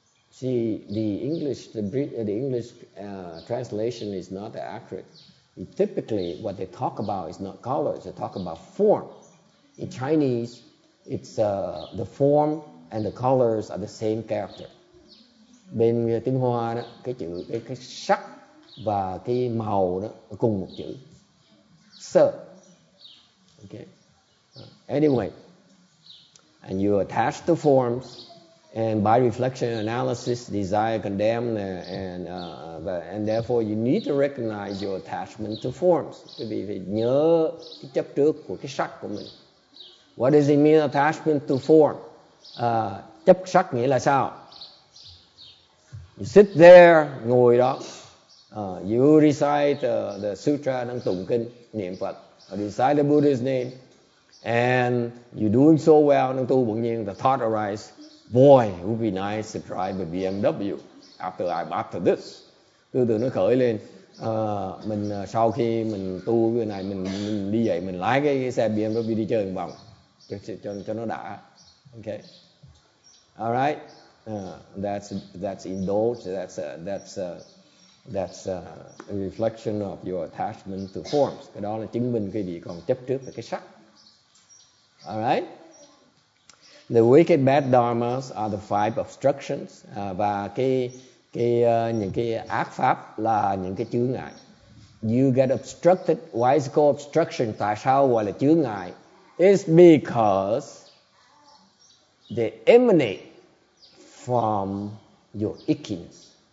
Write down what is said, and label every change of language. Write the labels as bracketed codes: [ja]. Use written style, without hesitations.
[en] See, the English translation is not that accurate. Typically, what they talk about is not colors. They talk about form. In Chinese, it's the form and the colors are the same character. [vi] Bên tiếng Hoa đó, cái sắc và cái màu đó cùng một chữ. [en] So, okay. Anyway, and you attach the forms, and by reflection and analysis, desire condemn, and therefore you need to recognize your attachment to forms. To be [vi] nhớ cái chấp trước của cái sắc của mình. [en] What does it mean attachment to form? [vi] Chấp sắc nghĩa là sao? [en] You sit there, [vi] ngồi đó. [en] You recite the sutra, [vi] đang tụng kinh. Niệm Phật, [en] recite the Buddha's name, and you're doing so well, [vi] nâng tu bỗng nhiên, [en] the thought arises, boy, it would be nice to drive a BMW after this. [vi] Tư tưởng nó khởi lên, mình sau khi mình tu cái này, mình đi dậy, mình lái cái xe BMW đi chơi một vòng, cho nó đã. [en] Okay. All right. That's indulge, that's a reflection of your attachment to forms. [vi] Cái đó là chứng minh quý vị còn chấp trước về cái sắc. [en] All right. The wicked bad dharmas are the five obstructions. [vi] Và những cái ác pháp là những cái chướng ngại. [en] You get obstructed. Why is it called obstruction? [vi] Tại sao gọi là chướng ngại? [en] It's because they emanate from your ickiness.